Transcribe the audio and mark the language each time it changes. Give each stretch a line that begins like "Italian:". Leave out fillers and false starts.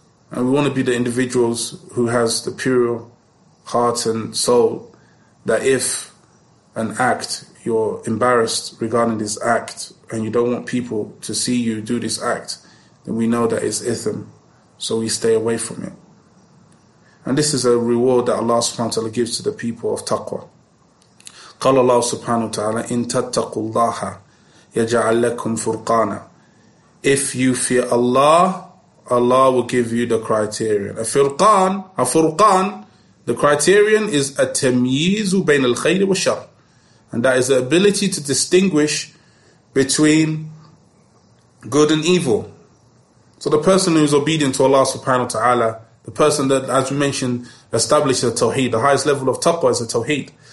English: And we want to be the individuals who has the pure heart and soul, that if an act, you're embarrassed regarding this act, and you don't want people to see you do this act, then we know that it's ithm, so we stay away from it. And this is a reward that Allah subhanahu wa ta'ala gives to the people of taqwa.
Arabic: قال الله سبحانه وتعالى إن تتقوا الله يجعل لكم فرقانا.
English: If you fear Allah, Allah will give you the criterion. A furqan, the criterion is التمييز بين الخير والشر. And that is the ability to distinguish between good and evil. So the person who is obedient to Allah subhanahu wa ta'ala, the person that, as we mentioned, establishes a tawheed, the highest level of taqwa is a tawheed.